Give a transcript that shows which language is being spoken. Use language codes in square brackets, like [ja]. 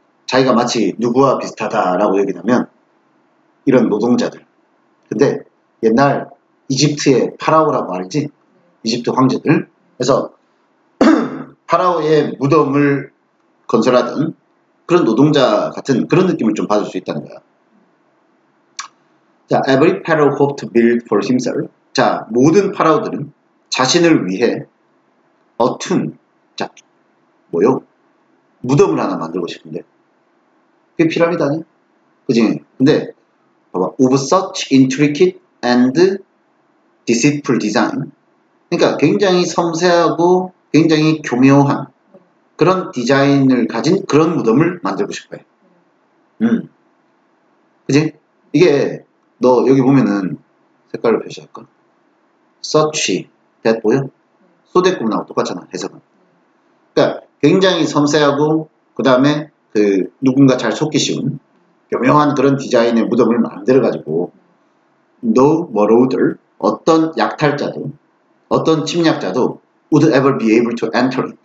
[ko] 자기가 마치 누구와 비슷하다라고 얘기하면 이런 노동자들. 근데 옛날 이집트의 파라오라고 알지? 이집트 황제들. 그래서 파라오의 무덤을 건설하던 그런 노동자 같은 그런 느낌을 좀 받을 수 있다는 거야. [en] 자, every pharaoh hoped to build for himself. [ko] 자, 모든 파라오들은 자신을 위해 어툰, 자, 뭐요? 무덤을 하나 만들고 싶은데. 그게 피라미드 아니야? 그지? 근데 봐봐, [en] of such intricate and deceitful design. [ko] 그러니까 굉장히 섬세하고 굉장히 교묘한 그런 디자인을 가진 그런 무덤을 만들고 싶어 해. 그지? 이게, 너 여기 보면은 색깔로 표시할까? [en] Such, that 보여? [ko] 소대꾸나 똑같잖아, 해석은. 그러니까 굉장히 섬세하고, 그 다음에 그 누군가 잘 속기 쉬운 교묘한 그런 디자인의 무덤을 만들어가지고, [en] No marauder, [ko] 어떤 약탈자도, 어떤 침략자도 [en] would ever be able to enter.